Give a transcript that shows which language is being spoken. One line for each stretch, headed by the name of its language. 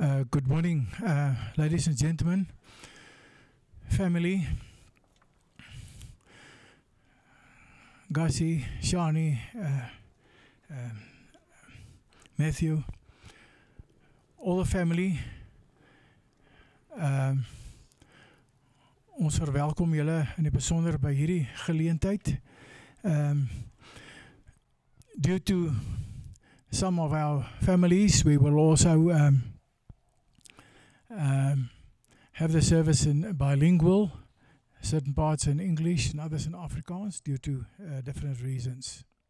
English: Good morning, ladies and gentlemen, family, Gussie, Shawnee, Matthew, all the family.
Afrikaans: Ons verwelkom julle in die besonder by hierdie geleentheid.
English: Due to some of our families, we will also have the service in bilingual, certain parts in English and others in Afrikaans due to different reasons.